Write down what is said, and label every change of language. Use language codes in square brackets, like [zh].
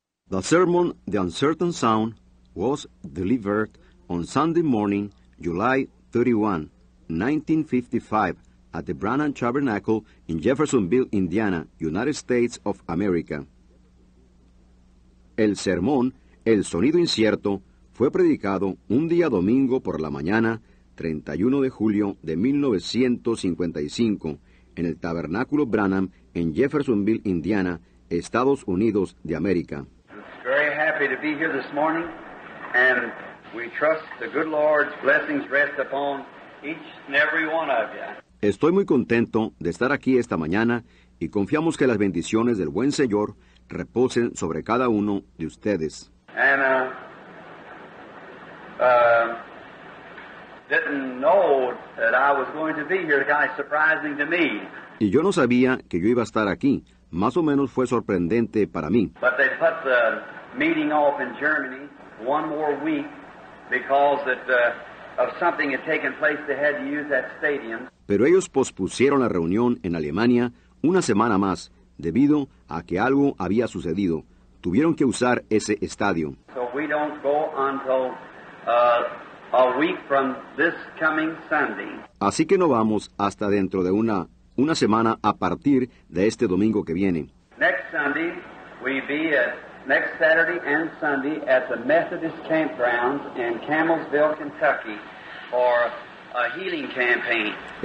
[en] The sermon, The Uncertain Sound, was delivered on Sunday morning, July 31, 1955, at the Branham Tabernacle in Jeffersonville, Indiana, United States of America. [es] El sermón, El Sonido Incierto, fue predicado un día domingo por la mañana, 31 de julio de 1955, en el Tabernáculo Branham en Jeffersonville, Indiana, Estados Unidos de América. [en] Very happy to be here this morning, and we trust the good Lord's blessings rest upon each and every one of you. [es] Estoy muy contento de estar aquí esta mañana, y confiamos que las bendiciones del buen Señor reposen sobre cada uno de ustedes. [en] And didn't know that I was going to be here, kind of surprising to me. [es] Y yo no sabía que yo iba a estar aquí. Más o menos fue sorprendente para mí. [en] But they put the meeting off in Germany one more week because of something had taken place. They had to use that stadium. [es] Pero ellos pospusieron la reunión en Alemania una semana más debido a que algo había sucedido. Tuvieron que usar ese estadio. [en] So we don't go until a week from this coming Sunday. [es] Así que no vamos hasta dentro de una semana a partir de este domingo que viene. [en] Next Sunday we be at next Saturday and Sunday at the Methodist campgrounds in Camelsville, Kentucky for a healing campaign.